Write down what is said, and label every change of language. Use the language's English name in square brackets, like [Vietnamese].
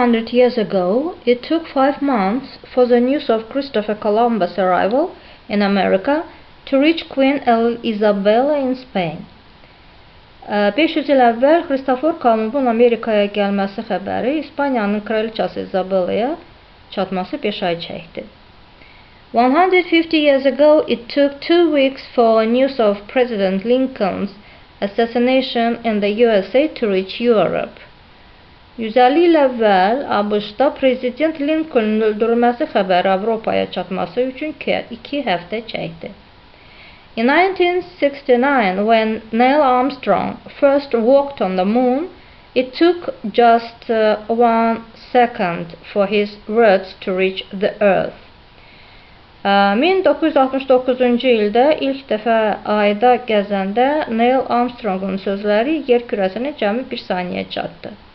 [English] Years ago, it took 5 months for the news of Christopher Columbus' arrival in America to reach Queen Isabella in Spain. [Azerbaijani] 500 il əvvəl Christopher Columbus'un Amerika'ya gəlməsi xəbəri İspanyanın kraliçası Isabella'ya çatması 5 ay çəkdi. [English] 150 years ago, it took 2 weeks for news of President Lincoln's assassination in the USA to reach Europe. [Azerbaijani] 150 il əvvəl ABŞ-da prezident Lincoln-un öldürülməsi xəbəri Avropaya çatması üçün 2 həftə çəkdi. [English] In 1969, when Neil Armstrong first walked on the moon, it took just 1 second for his words to reach the earth. [Azerbaijani] 1969-cu ildə ilk dəfə ayda gəzəndə Neil Armstrong-un sözləri yer kürəsinə cəmi 1 saniyə çatdı.